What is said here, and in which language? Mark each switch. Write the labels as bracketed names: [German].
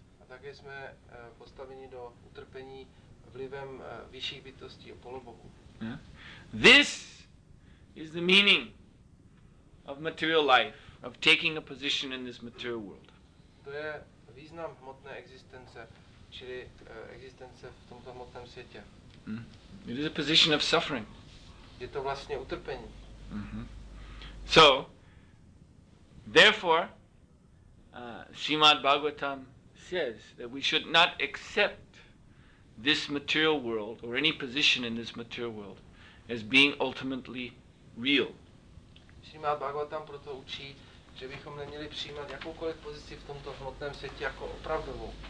[Czech] A také jsme postaveni do utrpení vlivem vyšších bytostí polobohů. [English] This is the meaning of material life, of taking a position in this material world. [Czech] To je význam hmotné existence, čili existence v tomto hmotném světě. [English] It is a position of suffering. [Czech] Je to vlastně utrpení. [English] So, therefore, Srimad Bhagavatam says that we should not accept this material world or any position in this material world as being ultimately real. [Czech] Srimad Bhagavatam proto učí, že bychom neměli přijímat jakoukoliv pozici v tomto hmotném světě jako opravdovou.